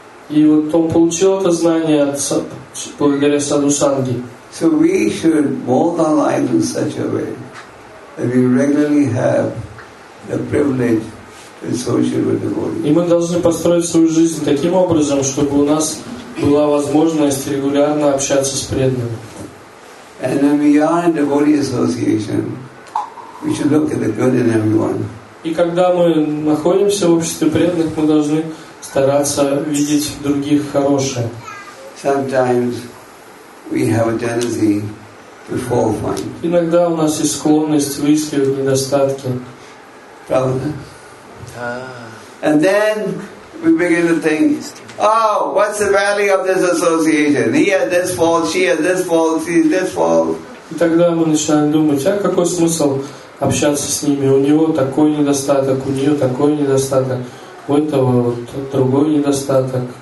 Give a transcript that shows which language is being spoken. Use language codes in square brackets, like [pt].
[ru] И вот он получил это знание благодаря саду санги. [en] So we should mold our lives in such a way that we regularly have the privilege to associate with the devotees. [ru] И мы должны построить свою жизнь таким образом, чтобы у нас была возможность регулярно общаться с преданными. [en] And when we are in devotee association, we should look at the good in everyone. [ru] И когда мы находимся в обществе преданных, мы должны стараться видеть в других хорошее. [en] Sometimes we have a tendency to fall fine. [ru] Иногда у нас есть склонность выискивать недостатки. Правда? [en] And then we begin to think, oh, what's the value of this association? He has this fault, she has this fault, she has this fault. [ru] И тогда мы начинаем думать, а какой смысл общаться с ними? У него такой недостаток, у нее такой недостаток. У этого вот другой недостаток.